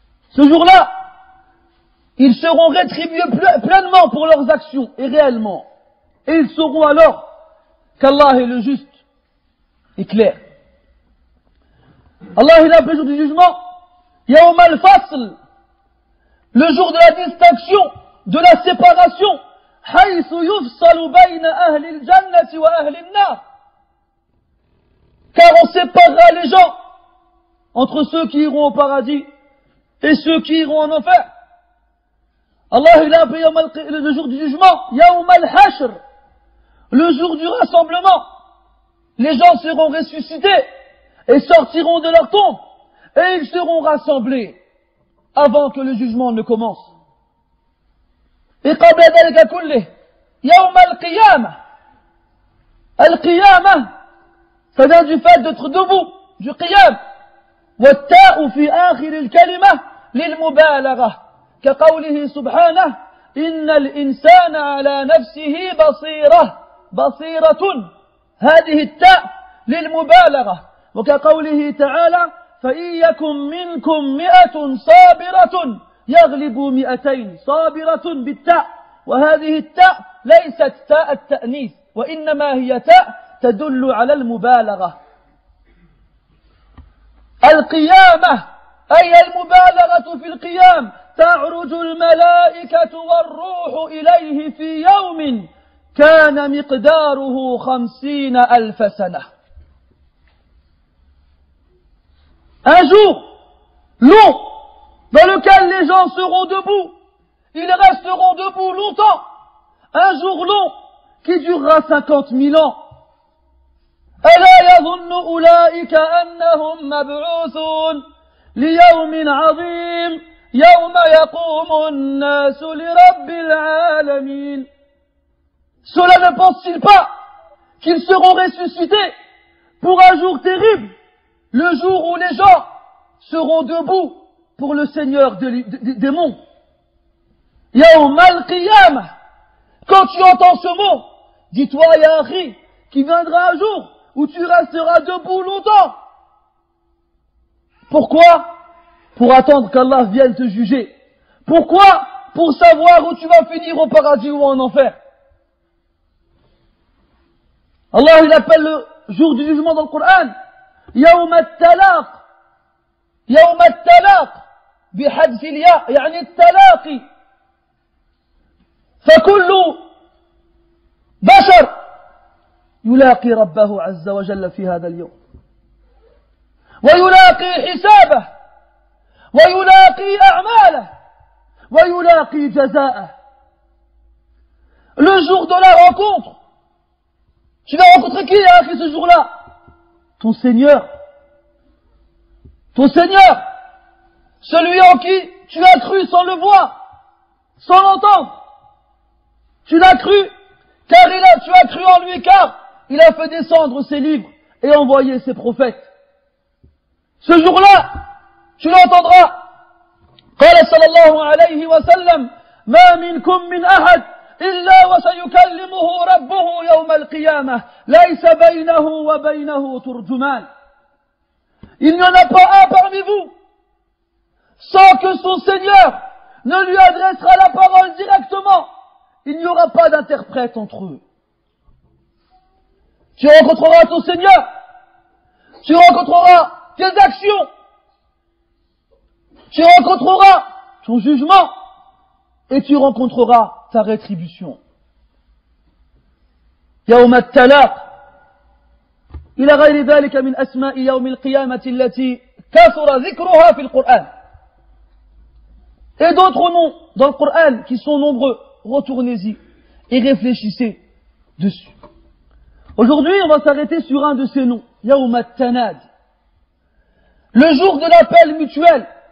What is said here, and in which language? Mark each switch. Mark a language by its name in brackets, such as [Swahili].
[French] Ce jour-là, ils seront rétribués pleinement pour leurs actions et réellement. Et ils sauront alors qu'Allah est le juste et clair. Allah est le jour du jugement. [Arabic] يَوْمَ الْفَصْلِ. [French] Le jour de la distinction, de la séparation. [Arabic] حيث يفصل بين أهل الجنة وأهل النار. [French] Car on séparera les gens entre ceux qui iront au paradis et ceux qui iront en enfer. Allah il a appelé le jour du jugement, [Arabic] يوم الحشر, [French] le jour du rassemblement. Les gens seront ressuscités et sortiront de leur tombe et ils seront rassemblés avant que le jugement ne commence. [Arabic] Et قبل ذلك كله يوم القيامة. القيامة, [French] ça vient du fait d'être debout, du [Arabic] قيام. والتاء في آخر الكلمة للمبالغة كقوله سبحانه إن الإنسان على نفسه بصيرة بصيرة. هذه التاء للمبالغة وكقوله تعالى فإن يكن منكم مئة صابرة يغلب مئتين صابرة بالتاء. وهذه التاء ليست تاء التأنيث وإنما هي تاء تدل على المبالغة. القيامة أي المبالغة في القيام. تعرج الملائكة والروح إليه في يوم كان مقداره 50,000 سنة. [French] Un jour long dans lequel les gens seront debout, ils resteront debout longtemps, un jour long qui durera 50,000 ans. [Arabic] ألا يظن أولئك أنهم مبعوثون ليوم عظيم يوم يقوم الناس لرب العالمين. [French] Cela ne pense-t-il pas qu'ils seront ressuscités pour un jour terrible, le jour où les gens seront debout pour le Seigneur des mondes. [Arabic] يوم القيامة. [French] Quand tu entends ce mot, dis-toi ya akhi qu'il viendra un jour où tu resteras debout longtemps. Pourquoi? Pour attendre qu'Allah vienne te juger. Pourquoi? Pour savoir où tu vas finir, au paradis ou en enfer. Allah il appelle le jour du jugement dans le Coran [Arabic] يوم التلاق. يوم التلاق بحذف الياء يعني التلاقي. فكل بشر يلاقي ربه عز وجل في هذا اليوم ويلاقي حسابه ويلاقي أعماله ويلاقي جزاءه. [French] Le jour de la rencontre, tu vas rencontrer qui à ce jour-là? Ton Seigneur. Ton Seigneur, celui en qui tu as cru sans le voir, sans l'entendre. Tu l'as cru, car tu as cru en lui, car il a fait descendre ses livres et envoyer ses prophètes. Ce jour-là, tu l'entendras. [Arabic] قال صلى الله عليه وسلم ما منكم من أحد إلا وسيكلمه ربه يوم القيامة ليس بينه وبينه ترجمان. [French] Il n'y en a pas un parmi vous sans que son Seigneur ne lui adressera la parole directement. Il n'y aura pas d'interprète entre eux. Tu rencontreras ton Seigneur. Tu rencontreras tes actions. Tu rencontreras ton jugement. Et tu rencontreras ta rétribution. [Arabic] يوم التلاق. إلى غير ذلك من أسماء يوم القيامة التي كثر ذكرها في القرآن. [French] Et d'autres noms dans le Coran qui sont nombreux, retournez-y et réfléchissez dessus. Aujourd'hui, on va s'arrêter sur un de ces noms, Yawm al-Tanadi, le jour de l'appel mutuel.